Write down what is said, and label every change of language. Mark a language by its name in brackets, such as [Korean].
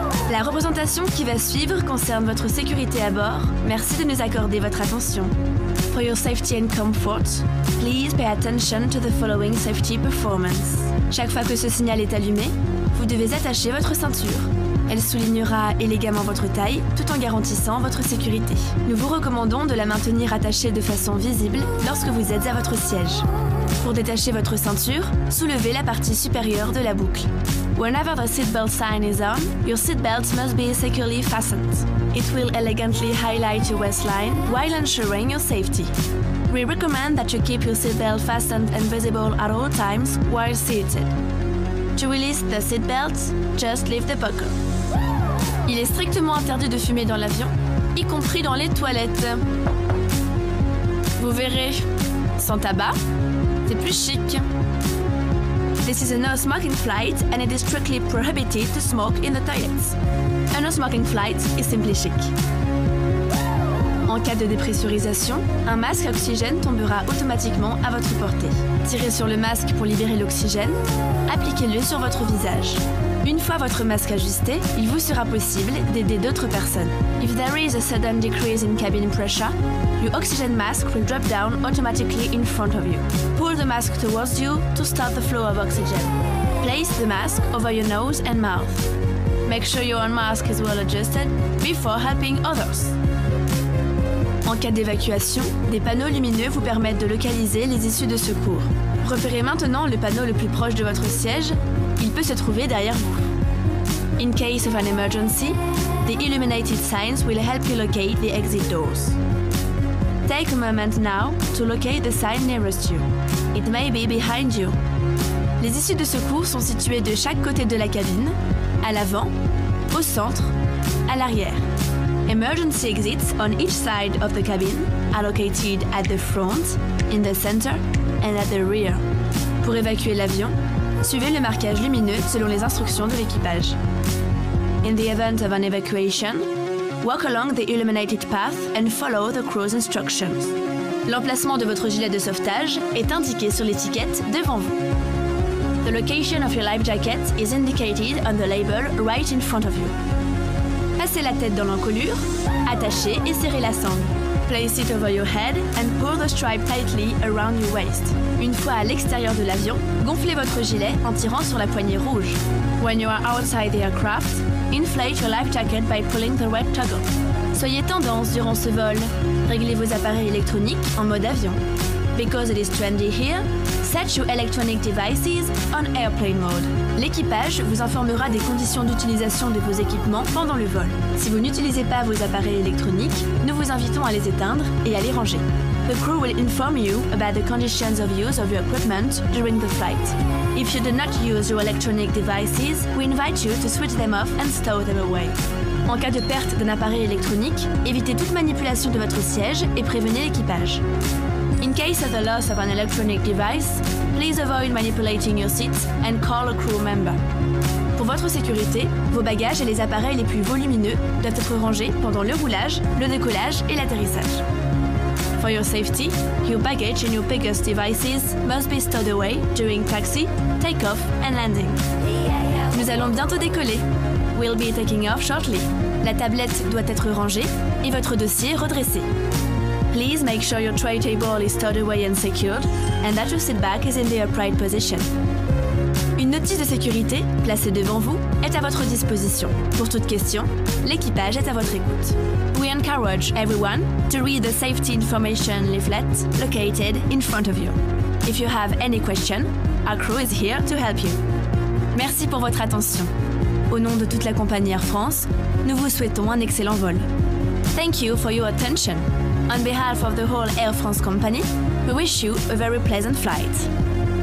[French] La représentation qui va suivre concerne votre sécurité à bord. Merci de nous accorder votre attention. [English] For your safety and comfort, please pay attention to the following safety performance. [French] Chaque fois que ce signal est allumé, vous devez attacher votre ceinture. Elle soulignera élégamment votre taille tout en garantissant votre sécurité. Nous vous recommandons de la maintenir attachée de façon visible lorsque vous êtes à votre siège. Pour détacher votre ceinture, soulevez la partie supérieure de la boucle. [English] Whenever the seatbelt sign is on, your seatbelt must be securely fastened. It will elegantly highlight your waistline while ensuring your safety. We recommend that you keep your seatbelt fastened and visible at all times while seated. To release the seatbelt, just lift the buckle. [French] Il est strictement interdit de fumer dans l'avion, y compris dans les toilettes. Vous verrez, sans tabac, c'est plus chic. [English] This is a no-smoking flight and it is strictly prohibited to smoke in the toilets. A no-smoking flight is simply chic. [French] En cas de dépressurisation, un masque à oxygène tombera automatiquement à votre portée. Tirez sur le masque pour libérer l'oxygène, appliquez-le sur votre visage. Une fois votre masque ajusté, il vous sera possible d'aider d'autres personnes. [English] If there is a sudden decrease in cabin pressure, your oxygen mask will drop down automatically in front of you. Pull the mask towards you to stop the flow of oxygen. Place the mask over your nose and mouth. Make sure your own mask is well adjusted before helping others. [French] En cas d'évacuation, des panneaux lumineux vous permettent de localiser les issues de secours. Repérez maintenant le panneau le plus proche de votre siège. Il peut se trouver derrière vous. [English] In case of an emergency, the illuminated signs will help you locate the exit doors. Take a moment now to locate the sign nearest you. It may be behind you. [French] Les issues de secours sont situées de chaque côté de la cabine, à l'avant, au centre, à l'arrière. [English] Emergency exits on each side of the cabin are located at the front, in the center, and at the rear. [French] Pour évacuer l'avion, suivez le marquage lumineux selon les instructions de l'équipage. [English] In the event of an evacuation, walk along the illuminated path and follow the crew's instructions. [French] L'emplacement de votre gilet de sauvetage est indiqué sur l'étiquette devant vous. [English] The location of your life jacket is indicated on the label right in front of you. [French] Passez la tête dans l'encolure, attachez et serrez la sangle. [English] Place it over your head and pull the stripe tightly around your waist. [French] Une fois à l'extérieur de l'avion, gonflez votre gilet en tirant sur la poignée rouge. [English] When you are outside the aircraft, inflate your life jacket by pulling the red toggle. [French] Soyez tendance durant ce vol. Réglez vos appareils électroniques en mode avion. [English] Because it is trendy here, set your electronic devices on airplane mode. [French] L'équipage vous informera des conditions d'utilisation de vos équipements pendant le vol. Si vous n'utilisez pas vos appareils électroniques, nous vous invitons à les éteindre et à les ranger. [English] The crew will inform you about the conditions of use of your equipment during the flight. If you do not use your electronic devices, we invite you to switch them off and stow them away. [French] En cas de perte d'un appareil électronique, évitez toute manipulation de votre siège et prévenez l'équipage. [English] In case of the loss of an electronic device, please avoid manipulating your seat and call a crew member. [French] Pour votre sécurité, vos bagages et les appareils les plus volumineux doivent être rangés pendant le roulage, le décollage et l'atterrissage. [English] For your safety, your baggage and your biggest devices must be stowed away during taxi, take-off and landing. [French] Nous allons bientôt décoller. [English] We'll be taking off shortly. [French] La tablette doit être rangée et votre dossier redressé. [English] Please make sure your tray table is stowed away and secured, and that your seat back is in the upright position. [French] Une notice de sécurité, placée devant vous, est à votre disposition. Pour toute question, l'équipage est à votre écoute. [English] We encourage everyone to read the safety information leaflet located in front of you. If you have any question, our crew is here to help you. [French] Merci pour votre attention. Au nom de toute la compagnie Air France, nous vous souhaitons un excellent vol. [English] Thank you for your attention. On behalf of the whole Air France company, we wish you a very pleasant flight.